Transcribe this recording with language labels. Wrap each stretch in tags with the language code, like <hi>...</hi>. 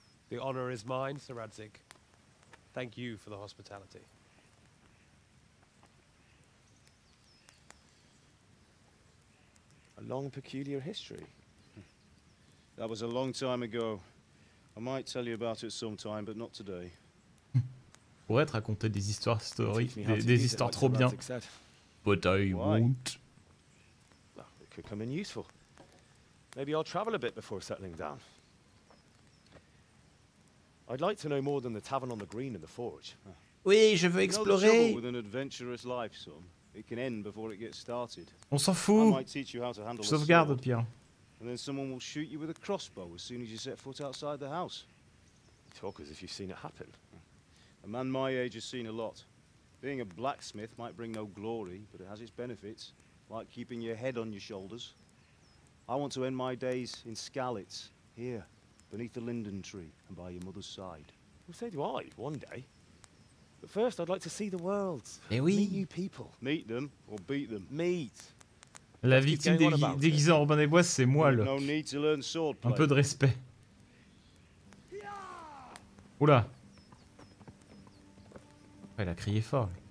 <en>The honor is mine, Sir Radzik. Thank you for the hospitality. A long, peculiar history. That was a long time ago. I might tell you about it sometime, but not today.</en> <fr>Ouais, te raconter des histoires historiques, des histoires trop bien.</fr> <en>But I won't. Well, it could come in useful. Maybe I'll travel a bit before settling down. I'd like to know more than the tavern on the green and the forge.</en> <fr>Oui, je veux explorer.</fr> <en>With an adventurous life, son, it can end before it gets started.</en> <fr>On s'en fout.</fr> <en>I might teach you how to handle a sword. And then someone will shoot you with a crossbow as soon as you set foot outside the house. You talk as if you've seen it happen. A man my age has seen a lot. Being a blacksmith might bring no glory, but it has its benefits, like keeping your head on your shoulders. I want to end my days in Scalitz, here, beneath the linden tree and by your mother's side. Well, so do I, one day. But first, I'd like to see the world.</en> <fr>Eh oui.</fr> <en>Meet new people. Meet them or beat them. Meet.</en> <fr>La victime déguisée en Robin des Bois, c'est moi, Locke.</fr> <en>No need to learn sword play.</en> <fr>Un peu de respect. Oula. Elle a crié fort.</fr>